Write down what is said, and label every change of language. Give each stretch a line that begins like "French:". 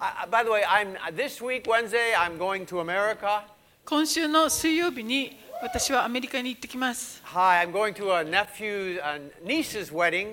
English: By the way, this week Wednesday I'm going to America.
Japanese: 今週の水曜日に私はアメリカに行ってきます。
English: Hi, I'm going to a nephew's and niece's wedding.